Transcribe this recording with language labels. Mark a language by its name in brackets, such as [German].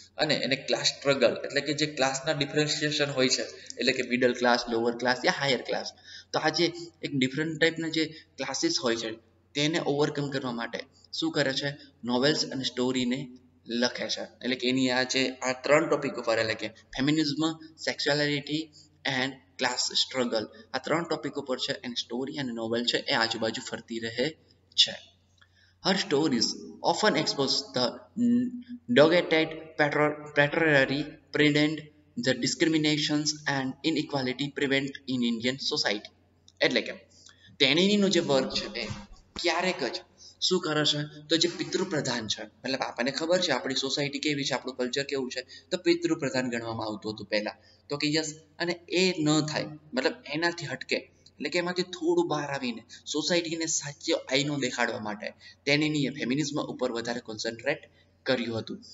[Gujarati] અને એને class struggle, એટલે કે જે ક્લાસના ડિફરન્શિએશન હોય છે, એટલે કે મિડલ ક્લાસ, લોઅર ક્લાસ યા હાયર ક્લાસ, તો આ જે એક ડિફરન્ટ ટાઈપના જે ક્લાસીસ હોય છે તેને ઓવરકમ કરવા માટે શું કરે છે, નોવેલ્સ અને સ્ટોરીને લખે છે. એટલે કે એની આ જે આ ત્રણ ટોપિક ઉપર, એટલે કે ફેમિનિઝમ, સેક્સ્યુઆલિટી એન્ડ ક્લાસ સ્ટ્રગલ, આ ત્રણ ટોપિક ઉપર છે એની સ્ટોરી અને નોવેલ છે એ આજુબાજુ ફરતી રહે છે. [English] Her stories often expose the dogged patriarchy pretend the discriminations and inequality prevent in Indian society. [Gujarati] એટલે કે તેણીનું જે વર્ક છે એ ક્યારેક જ શું કરે છે, તો જે પિતૃપ્રધાન છે, મતલબ આપણને ખબર છે આપણી સોસાયટી કેવી છે, આપણું કલ્ચર કેવું છે, તો પિતૃપ્રધાન ગણવામાં આવતું હતું પહેલા. તો કે યસ, અને એ ન થાય, મતલબ એનાથી હટકે, એટલે કે એમાંથી થોડું બહાર આવીને સોસાયટીને સાચો આઈનો દેખાડવા માટે તેણીની ફેમિનિઝમ ઉપર વધારે કોન્સન્ટ્રેટ કર્યું હતું.